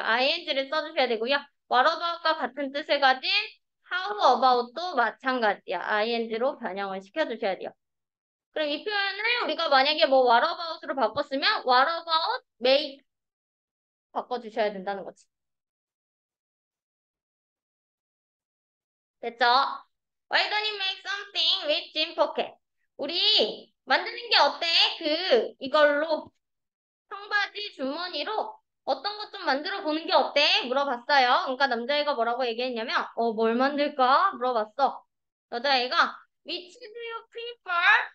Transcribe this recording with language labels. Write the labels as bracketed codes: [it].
[ko] ing를 써주셔야 되고요. what about과 같은 뜻을 가진 how about도 마찬가지야. ing로 변형을 시켜주셔야 돼요. 그럼 이 표현을 우리가 만약에 뭐 what about으로 바꿨으면 [en] what about make [ko] 바꿔주셔야 된다는 거지. 됐죠? [en] Why don't you make something with Jim Pocket? [ko] 우리 만드는 게 어때? 그 이걸로 청바지 주머니로 어떤 것좀 만들어 보는 게 어때? 물어봤어요. 그러니까 남자애가 뭐라고 얘기했냐면 뭘 만들까? 물어봤어. 여자애가 [en] Which do you prefer?